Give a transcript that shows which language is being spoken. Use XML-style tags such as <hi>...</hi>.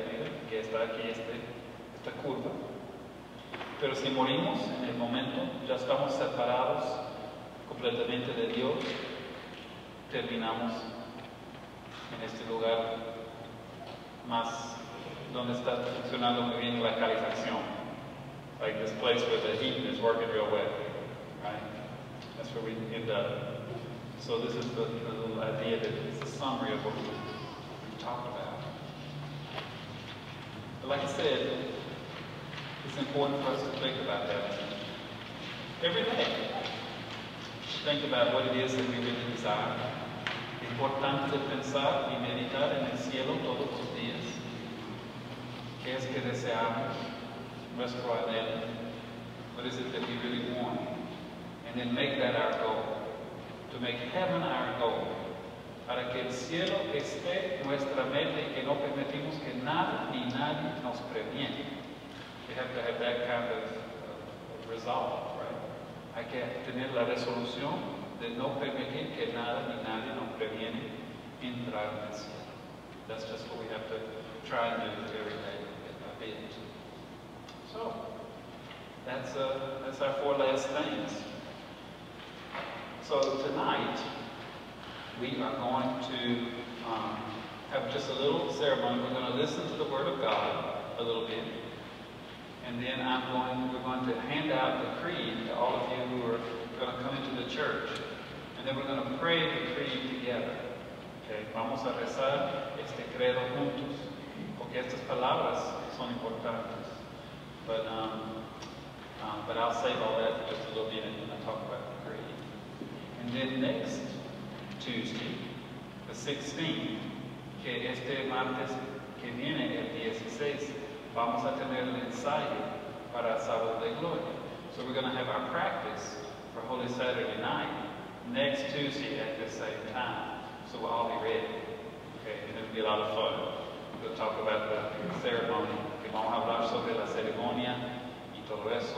<es>Mira, que está aquí esta curva. Pero si morimos en el momento, ya estamos separados completamente de Dios, terminamos en este lugar más donde está funcionando muy bien la calefacción.</es> <en>Like this place where the heat is working real well. Right? That's where we end up. So this is the little idea that it's a summary of what we talked about. But like I said, it's important for us to think about that. Every day, think about what it is that we really desire.</en> <es>Importante pensar y meditar en el cielo todos los días. ¿Qué es que deseamos? Nuestro anhelo.</es> <en>What is it that we really want? And then make that our goal. To make heaven our goal.</en> <es>Para que el cielo esté nuestra meta y que no permitimos que nada ni nadie nos previene.</es> <en>We have to have that kind of resolve, right?</en> <es>Hay que tener la resolución de no permitir que nada ni nadie nos previene entrar en el cielo.</es> <en>That's just what we have to try and do every day a bit. So, that's our four last things. So tonight, we are going to have just a little ceremony. We're going to listen to the Word of God a little bit. And then we're going to hand out the creed to all of you who come into the church, and then we're going to pray the creed together.</en> <es>Okay, vamos a rezar este credo juntos, porque estas palabras son importantes.</es> <en>But I'll save all that just a little bit, and then I'll talk about the creed. And then next Tuesday, the 16th,</en> <es>que este martes que viene, el 16, vamos a tener el ensayo para el sábado de gloria.</es> <en>So we're going to have our practice for Holy Saturday night next Tuesday at the same time. So we'll all be ready. Okay, and it'll be a lot of fun. We'll talk about the ceremony.</en> <es>Okay, vamos a hablar sobre la ceremonia y todo eso.</es>